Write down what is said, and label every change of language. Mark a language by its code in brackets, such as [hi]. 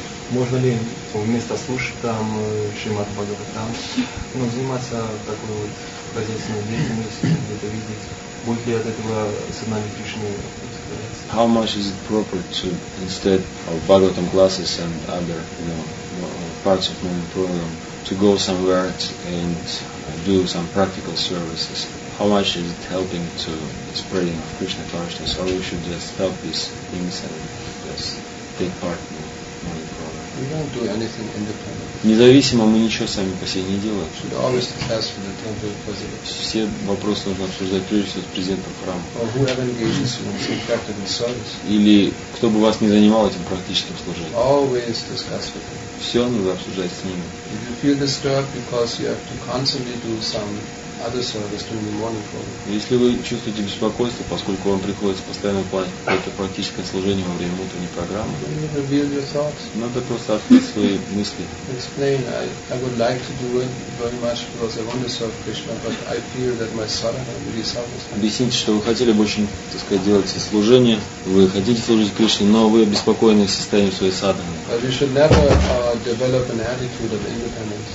[ru] Можно ли вместо слушать там Шримад Бхагаватам, ну, заниматься такой вот хозяйственной деятельностью, где-то видеть? Будет ли от этого Саднами Кришны? [en] How much is it proper to instead of Bhagavatam classes and other, you know, parts of my program to go somewhere and do some practical services? How much is it helping to spreading of Krishna consciousness? Or we should just stop these things and just take part in my program? We don't do anything independent. [ru] Независимо мы ничего сами по себе не делаем. [en] Should always ask for the temple president. [ru] Все вопросы нужно обсуждать прежде всего с президентом храма. [en] Or whoever engages in some practical service. [ru] Или кто бы вас не занимал этим практическим служением. [en] Always discuss with him. [ru] Все нужно обсуждать с ним. [en] If you feel disturbed because you have to constantly do some other service during the morning program. [ru] Если вы чувствуете беспокойство, поскольку вам приходится постоянно платить какое-то практическое служение во время утренней программы, надо просто открыть свои мысли. [en] Explain, I would like to do it very much because I want to serve Krishna, but I fear that my sadhana really suffers. [ru] Объясните, что вы хотели бы очень, так сказать, делать служение, вы хотите служить Кришне, но вы обеспокоены состоянием своей садханы. [en] But we should never develop an attitude of independence.